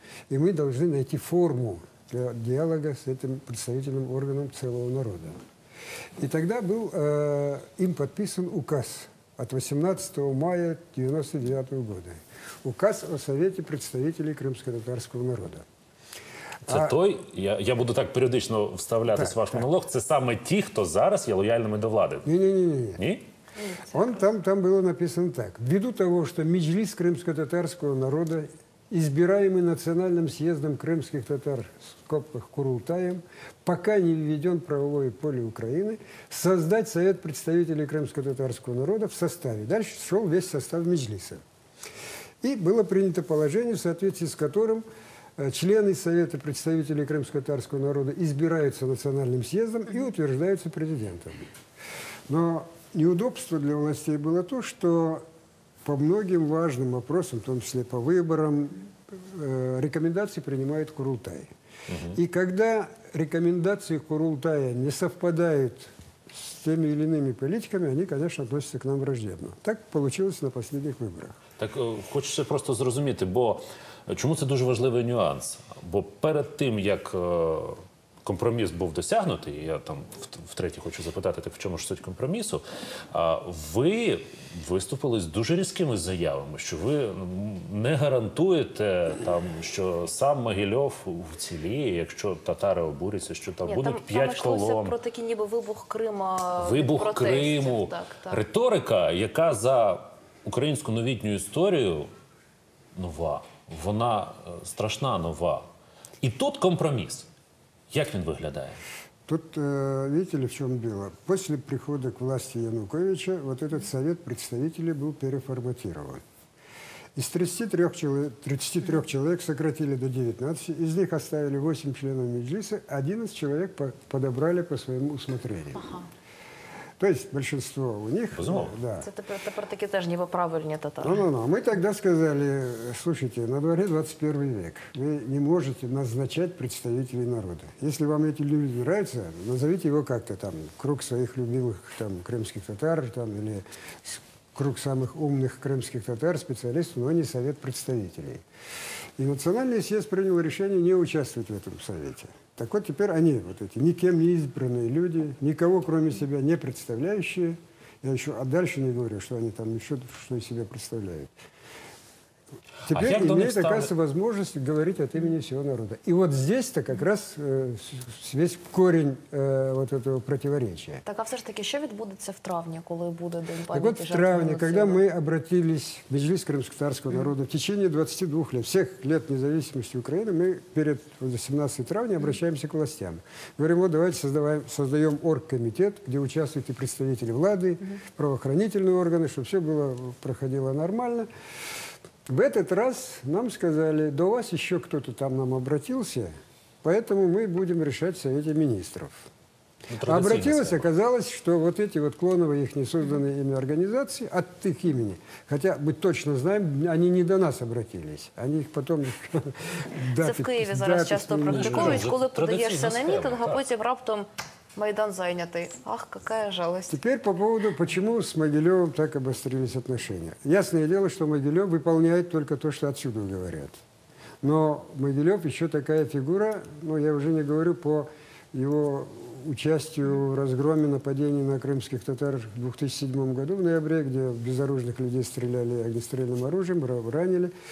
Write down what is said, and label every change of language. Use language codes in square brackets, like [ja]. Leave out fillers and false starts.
[ru] И мы должны найти форму для диалога с этим представительным органом целого народа. И тогда был им подписан указ от 18 мая 1999 года. Указ о Совете представителей крымско-татарского народа. [uk] Це той, я буду так періодично вставлятися в ваш монолог, це саме ті, хто зараз є лояльними до влади. Ні. Он там було написано так. [ru] Ввиду того, що Меджліс кримсько-татарського народу, избираемый Национальным съездом крымских татар скобках Курултаем, пока не введен правовое поле Украины, создать Совет представителей крымско-татарского народа в составе. Дальше шел весь состав Меджлиса. И было принято положение, в соответствии с которым члены Совета представителей крымско-татарского народа избираются Национальным съездом и утверждаются президентом. Но неудобство для властей было то, что по многим важным вопросам, в том числе по выборам, рекомендации принимает Курултай. И когда рекомендации Курултая не совпадают с теми или иными политиками, они, конечно, относятся к нам враждебно. Так получилось на последних выборах. [uk] Так хочется просто зрозуміти, бо чому це дуже важливий нюанс? Бо перед тим, як компроміс був досягнутий, я там втретє хочу запитати, так в чому ж суть компромісу, ви виступили з дуже різкими заявами, що ви не гарантуєте, там, що сам Могильов вціліє, якщо татари обуряться, що там будуть п'ять колон. Там йшлося про такий ніби вибух Крима. Вибух Криму. Так. Риторика, яка за українську новітню історію нова. Вона страшна нова. І тут компроміс. Як він виглядає? Тут, видите, в чому діло? [ru] Після приходу к власті Януковича, вот этот совет представителей був переформатирован. Из 33 человек сократили до 19, из них оставили 8 членов Меджлиса, 11 человек подобрали по своему усмотрению. Ага. То есть большинство у них... [uk] Безумовно. [ru] Да. [uk] Тепер таки теж не поправильні татари. Ну. [ru] Мы тогда сказали, слушайте, на дворе 21 век. Вы не можете назначать представителей народа. Если вам эти люди нравятся, назовите его как-то там, круг своих любимых там, крымских татар, там, или круг самых умных крымских татар, специалистов, но не совет представителей. И Национальный съезд принял решение не участвовать в этом совете. Так вот теперь они, вот эти никем не избранные люди, никого кроме себя не представляющие, я еще дальше не говорю, что они там еще что из себя представляют. Теперь имеет, оказывается, возможность говорить от имени всего народа. И вот здесь-то как раз весь корень вот этого противоречия. [uk] Так, а все-таки, что відбудеться в травне, коли буде День [ru] памяти? Так вот в травне, когда мы обратились в Меджлис крымско-татарского народа, в течение 22 лет, всех лет независимости Украины, мы перед 18 травня обращаемся к властям. Говорим, вот давайте создаем оргкомитет, где участвуют и представители влады, правоохранительные органы, чтобы все было, проходило нормально. В этот раз нам сказали, до вас еще кто-то там нам обратился, поэтому мы будем решать в Совете министров. Ну, обратилось, оказалось, что вот эти вот клоновые, их не созданные ими организации, от их имени, хотя мы точно знаем, они не до нас обратились, они их потом... [uk] Це в Києві зараз часто практикують, коли подаєшся на мітинг, а потім раптом Майдан зайнятий. [ru] Ах, какая жалость. Теперь по поводу, почему с Могилевым так обострились отношения. Ясное дело, что Могилев выполняет только то, что отсюда говорят. Но Могилев еще такая фигура, ну, я уже не говорю по его участию в разгроме нападений на крымских татар в 2007 году, в ноябре, где безоружных людей стреляли огнестрельным оружием, ранили.